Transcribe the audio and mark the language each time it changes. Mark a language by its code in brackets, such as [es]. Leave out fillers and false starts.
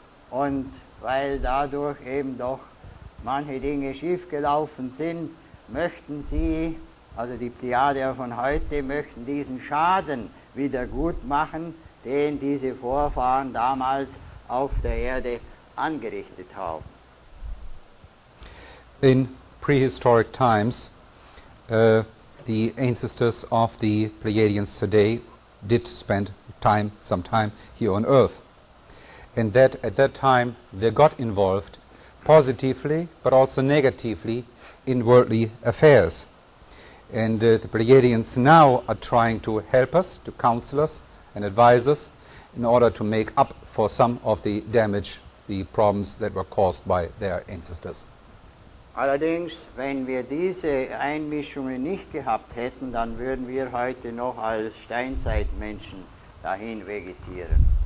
[de] Und weil dadurch eben doch manche Dinge schiefgelaufen sind, möchten sie, also die Pleiadier von heute, möchten diesen Schaden wieder gut machen, den diese Vorfahren damals auf der Erde angerichtet haben. [en] In prehistoric times, the ancestors of the Pleiadians today did spend time, some time here on Earth. and that at that time they got involved positively but also negatively in worldly affairs. And the Pleiadians now are trying to help us, to counsel us and advise us in order to make up for some of the damage, the problems that were caused by their ancestors. [de] Allerdings, wenn wir diese Einmischungen nicht gehabt hätten, dann würden wir heute noch als Steinzeitmenschen dahin vegetieren.